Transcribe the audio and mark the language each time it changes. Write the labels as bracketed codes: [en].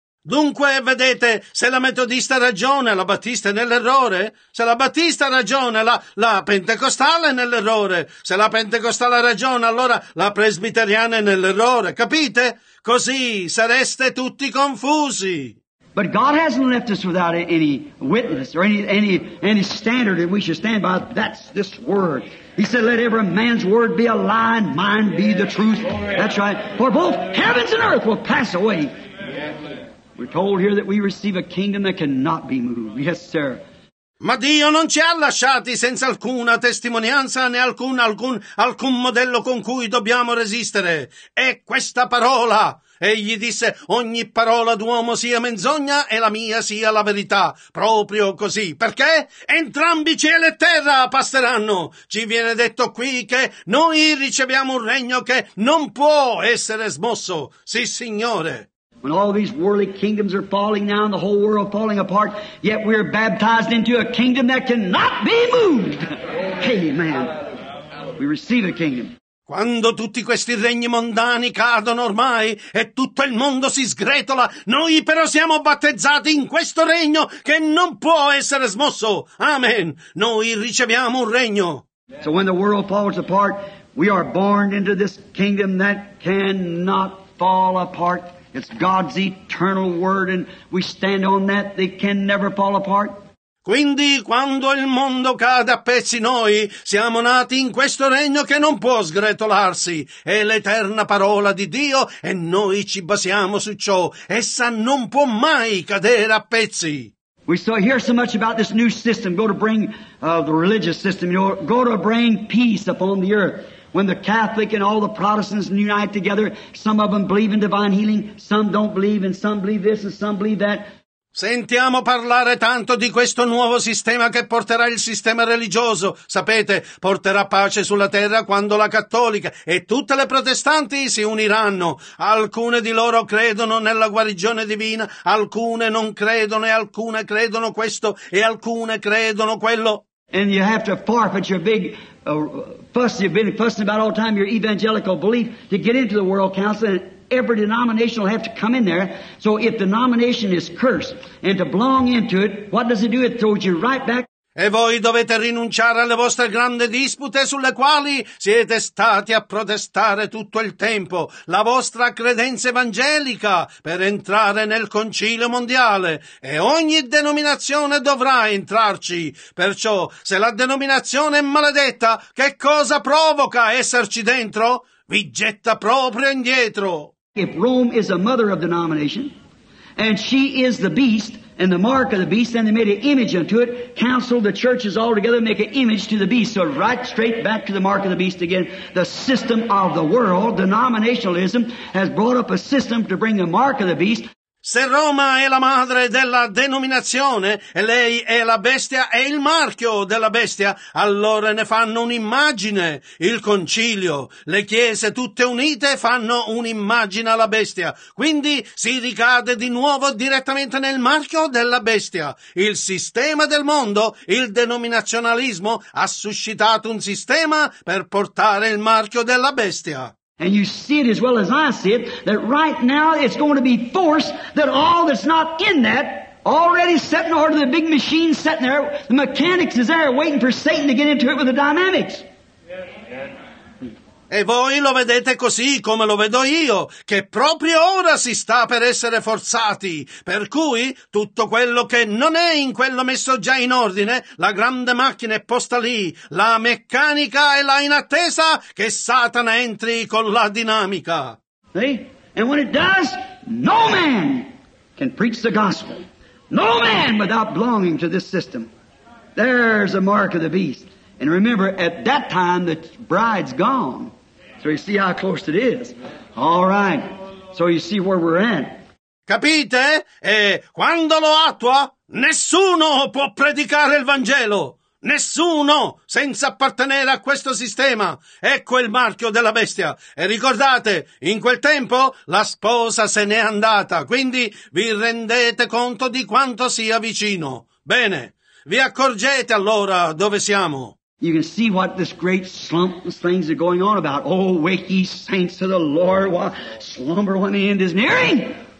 [it] Dunque, vedete, se la metodista ha ragione, la battista è nell'errore. Se la battista ha ragione, la pentecostale è nell'errore. Se la pentecostale ha ragione, allora la presbiteriana è nell'errore. Capite? Così sareste tutti confusi. [en] But God hasn't left us without any witness or any standard that we should stand by. That's this word. He said, let every man's word be a lie and mine be the truth. That's right. For both heavens and earth will pass away. We're told here that we receive a kingdom that cannot be moved. Yes, sir. [it] Ma Dio non ci ha lasciati senza alcuna testimonianza né alcun modello con cui dobbiamo resistere. È questa parola. Egli disse, ogni parola d'uomo sia menzogna e la mia sia la verità. Proprio così. Perché? Entrambi cielo e terra passeranno. Ci viene detto qui che noi riceviamo un regno che non può essere smosso. Sì, Signore. [en] When all these worldly kingdoms are falling now and the whole world falling apart, yet we are baptized into a kingdom that cannot be moved. Amen. We receive a kingdom. [it] Quando tutti questi regni mondani cadono ormai e tutto il mondo si sgretola, noi però siamo battezzati in questo regno che non può essere smosso. Amen. Noi riceviamo un regno. [en] So when the world falls apart, we are born into this kingdom that cannot fall apart. It's God's eternal word and we stand on that. They can never fall apart. [it] Quindi quando il mondo cade a pezzi, noi siamo nati in questo regno che non può sgretolarsi. È l'eterna parola di Dio e noi ci basiamo su ciò. Essa non può mai cadere a pezzi. [en] We still hear so much about this new system, go to bring the religious system, you know, go to bring peace upon the earth. When the Catholic and all the Protestants unite together, some of them believe in divine healing, some don't believe, and some believe this and some believe that. [it] Sentiamo parlare tanto di questo nuovo sistema che porterà il sistema religioso. Sapete, porterà pace sulla terra quando la cattolica e tutte le protestanti si uniranno. Alcune di loro credono nella guarigione divina, alcune non credono e alcune credono questo e alcune credono quello. [en] And you have to forfeit your big fuss you've been fussing about all the time, your evangelical belief, to get into the World Council. Every denomination will have to come in there. So if the denomination is cursed and to belong into it, what does it do? It throws you right back. [it] E voi dovete rinunciare alle vostre grandi dispute sulle quali siete stati a protestare tutto il tempo, la vostra credenza evangelica per entrare nel Concilio Mondiale. E ogni denominazione dovrà entrarci. Perciò, se la denominazione è maledetta, che cosa provoca esserci dentro? Vi getta proprio indietro. [en] If Rome is a mother of denomination, and she is the beast, and the mark of the beast, and they made an image unto it, counseled the churches all together, make an image to the beast. So right straight back to the mark of the beast again. The system of the world, denominationalism, has brought up a system to bring the mark of the beast. [it] Se Roma è la madre della denominazione e lei è la bestia e il marchio della bestia, allora ne fanno un'immagine, il concilio. Le chiese tutte unite fanno un'immagine alla bestia. Quindi si ricade di nuovo direttamente nel marchio della bestia. Il sistema del mondo, il denominazionalismo, ha suscitato un sistema per portare il marchio della bestia. [en] And you see it as well as I see it, that right now it's going to be forced that all that's not in that, already set in order, the big machine sitting there, the mechanics is there waiting for Satan to get into it with the dynamics. [it] E voi lo vedete così come lo vedo io, che proprio ora si sta per essere forzati, per cui tutto quello che non è in quello messo già in ordine, la grande macchina è posta lì, la meccanica è là in attesa che Satana entri con la dinamica. [en] See? And when it does, no man can preach the gospel. No man without belonging to this system. There's the mark of the beast. And remember, at that time the bride's gone. So you see how close it is. All right. So you see where we're at. [it] Capite? E quando lo attua, nessuno può predicare il Vangelo. Nessuno senza appartenere a questo sistema. Ecco il marchio della bestia. E ricordate, in quel tempo la sposa se n'è andata. Quindi vi rendete conto di quanto sia vicino. Bene. Vi accorgete allora dove siamo. [en] You can see what this great slump and things are going on about. Oh, wake ye saints of the Lord, while slumber when the end is nearing.